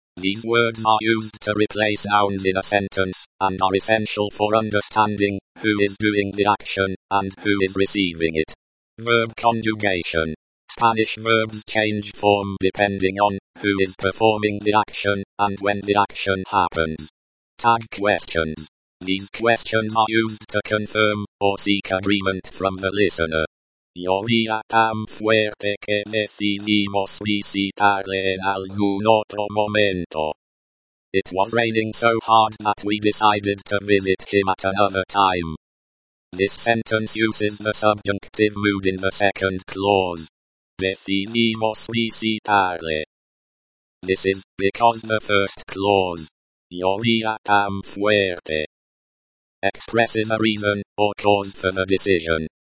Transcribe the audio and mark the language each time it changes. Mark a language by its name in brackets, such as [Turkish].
[English] These words are used to replace nouns in a sentence, and are essential for understanding who is doing the action, and who is receiving it. Verb conjugation. Spanish verbs change form depending on who is performing the action and when the action happens. Tag questions. These questions are used to confirm or seek agreement from the listener. [Spanish] ¿Lloría tan fuerte que decidimos visitarle en algún otro momento? [English] It was raining so hard that we decided to visit him at another time. This sentence uses the subjunctive mood in the second clause. [Spanish] Decidimos visitarle. [English] This is because the first clause, [Spanish] ¿Lloría tan fuerte?, [English] expresses a reason or cause for the decision.